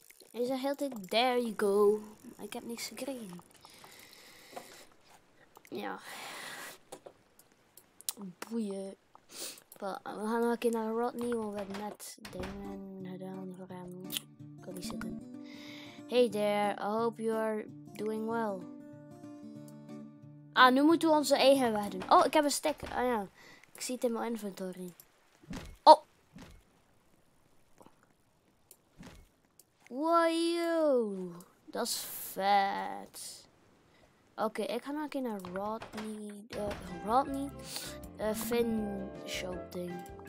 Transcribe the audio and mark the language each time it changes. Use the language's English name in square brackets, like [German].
[Dutch] Hij zegt heel tijd, [English] there you go. [Dutch] Ik heb niks gekregen. Ja. Boeien. We gaan nog een keer naar Rodney, want we hebben net dingen gedaan voor hem. Ik kan niet zitten. [English] Hey there, I hope you are doing well. [Dutch] Ah, nu moeten we onze eigen weg doen. Oh, ik heb een stick. Ah ja, ik zie het in mijn inventory. Wow, dat is vet. Oké, ik ga nog een keer naar Finn shop ding.